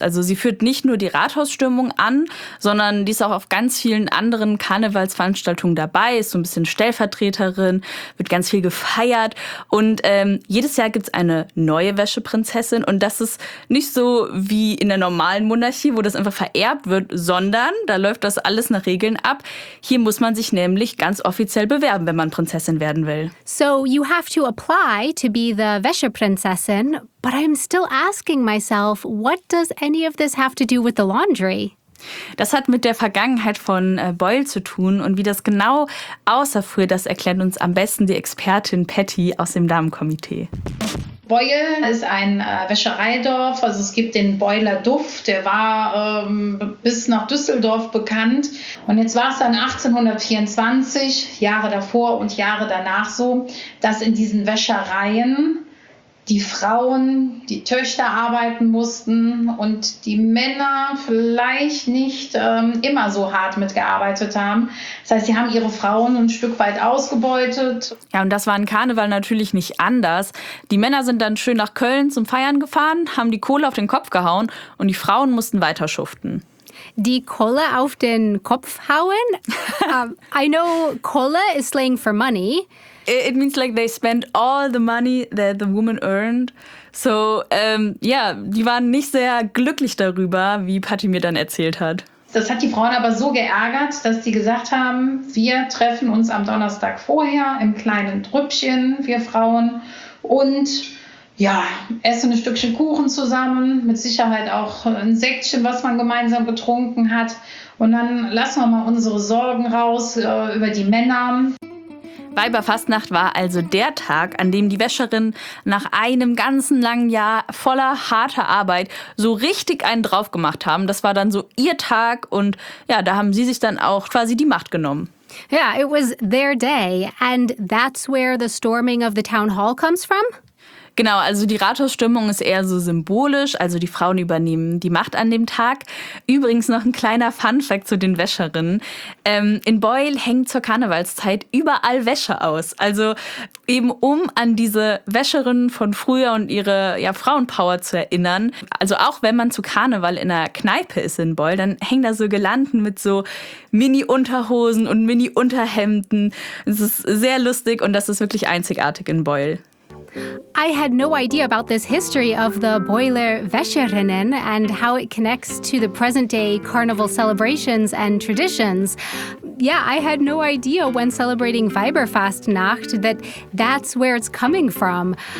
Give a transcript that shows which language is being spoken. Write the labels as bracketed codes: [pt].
[de] Also sie führt nicht nur die Rathausstürmung an, sondern die ist auch auf ganz vielen anderen Karnevalsveranstaltungen dabei, ist so ein bisschen Stellvertreterin, wird ganz viel gefeiert. Und jedes Jahr gibt es eine neue Wäscheprinzessin. Und das ist nicht so wie in der normalen Monarchie, wo das einfach vererbt wird, sondern da läuft das alles nach Regeln ab. Hier muss man sich nämlich ganz offiziell bewerben, wenn man Prinzessin werden will. [en] So you have to apply to be the Wäscheprinzessin, but I'm still asking myself, what does any of this have to do with the laundry? [de] Das hat mit der Vergangenheit von Beul zu tun und wie das genau aussah früher, das erklärt uns am besten die Expertin Patty aus dem Damenkomitee. Beul ist ein Wäschereidorf, also es gibt den Beuler Duft, der war bis nach Düsseldorf bekannt. Und jetzt war es dann 1824, Jahre davor und Jahre danach so, dass in diesen Wäschereien die Frauen, die Töchter arbeiten mussten und die Männer vielleicht nicht immer so hart mitgearbeitet haben. Das heißt, sie haben ihre Frauen ein Stück weit ausgebeutet. Ja, und das war ein Karneval natürlich nicht anders. Die Männer sind dann schön nach Köln zum Feiern gefahren, haben die Kohle auf den Kopf gehauen und die Frauen mussten weiter schuften. Die Kohle auf den Kopf hauen? [en] I know Kohle is slang for money. It means like they spent all the money that the woman earned. [de] So, yeah, die waren nicht sehr glücklich darüber, wie Patty mir dann erzählt hat. Das hat die Frauen aber so geärgert, dass sie gesagt haben, wir treffen uns am Donnerstag vorher im kleinen Trüppchen, wir Frauen, und ja, essen ein Stückchen Kuchen zusammen, mit Sicherheit auch ein Sektchen, was man gemeinsam getrunken hat. Und dann lassen wir mal unsere Sorgen raus über die Männer. Weiberfastnacht war also der Tag, an dem die Wäscherinnen nach einem ganzen langen Jahr voller harter Arbeit so richtig einen drauf gemacht haben. Das war dann so ihr Tag und ja, da haben sie sich dann auch quasi die Macht genommen. [en] Yeah, it was their day and that's where the storming of the town hall comes from? [de] Genau, also die Rathausstimmung ist eher so symbolisch, also die Frauen übernehmen die Macht an dem Tag. Übrigens noch ein kleiner Funfact zu den Wäscherinnen. In Beul hängt zur Karnevalszeit überall Wäsche aus. Also eben um an diese Wäscherinnen von früher und ihre ja, Frauenpower zu erinnern. Also auch wenn man zu Karneval in einer Kneipe ist in Beul, dann hängen da so Girlanden mit so Mini-Unterhosen und Mini-Unterhemden. Es ist sehr lustig und das ist wirklich einzigartig in Beul. [en] I had no idea about this history of the Boiler Wäscherinnen and how it connects to the present-day carnival celebrations and traditions. Yeah, I had no idea when celebrating Weiberfastnacht that that's where it's coming from.